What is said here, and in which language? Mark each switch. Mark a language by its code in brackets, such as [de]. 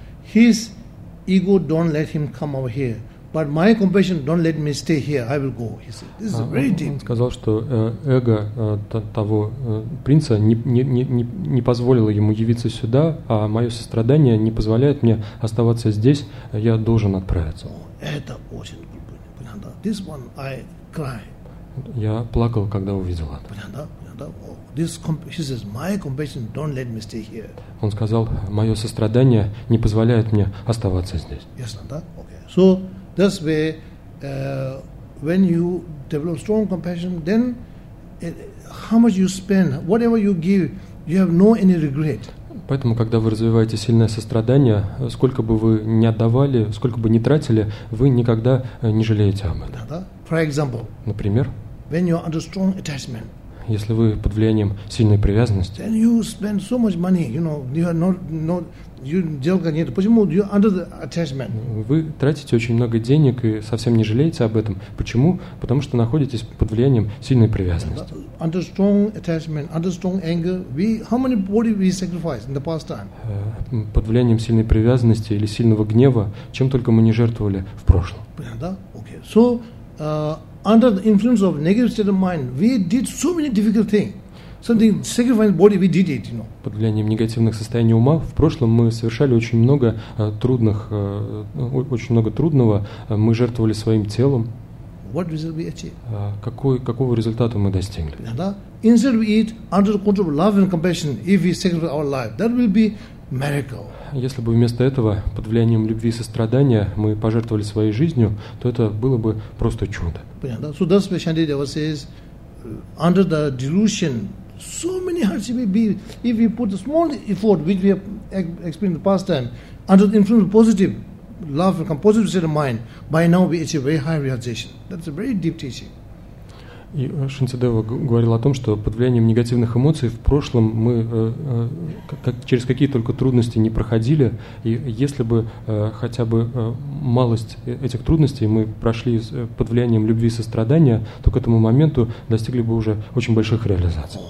[en] His ego don't let him come over here. But my compassion don't let me stay here. I will go. He said, this is very deep. [ru] Он сказал, что эго того принца не позволило ему явиться сюда, а мое сострадание не позволяет мне оставаться здесь. Я должен отправиться. Это очень глупо. Понятно? [en] This one I cry. [ru] Я плакал, когда увидел это. [en] He says, my compassion don't let me stay here. [ru] Он сказал, мое сострадание не позволяет мне оставаться здесь. Ясно, да? Okay. [en] So, that's where, when you develop strong compassion, then how much you spend, whatever you give, you have no any regret. [ru] Поэтому, когда вы развиваете сильное сострадание, сколько бы вы ни отдавали, сколько бы ни тратили, вы никогда не жалеете об этом. [en] For example, [ru] например, [en] when you are under strong attachment, [ru] если вы под влиянием сильной привязанности, [en] then you spend so much money, you are not you [ru] делка нет. [en] Почему you under the attachment? [ru] Вы тратите очень много денег и совсем не жалеете об этом. Почему? Потому что находитесь под влиянием сильной привязанности. [en] Under strong attachment, under strong anger, we how many body we sacrifice in the past time? [ru] Под влиянием сильной привязанности или сильного гнева, чем только мы не жертвовали в прошлом. [en] Да? Okay. So under the influence of negative state of mind, we did so many difficult things. Something sacrificing body, we did it, [ru] Под влиянием негативных состояний ума в прошлом мы совершали очень много трудных, очень много трудного. Мы жертвовали своим телом. [en] What result we achieved? [ru] Какого результата мы достигли? Да. [en] Instead we eat under the control of love and compassion. If we sacrifice our life, that will be miracle. [ru] Если бы вместо этого под влиянием любви и сострадания мы пожертвовали своей жизнью, то это было бы просто чудо. [en] Понятно. So that's what Shantideva says. Under the delusion, so many hardships will be. If we put a small effort, which we have experienced in the past time, under the influence of positive love and positive state of mind, by now we achieve very high realization. That's a very deep teaching. [ru] И Шинцедева говорил о том, что под влиянием негативных эмоций в прошлом мы через какие только трудности не проходили, и если бы хотя бы малость этих трудностей мы прошли под влиянием любви и сострадания, то к этому моменту достигли бы уже очень больших реализаций.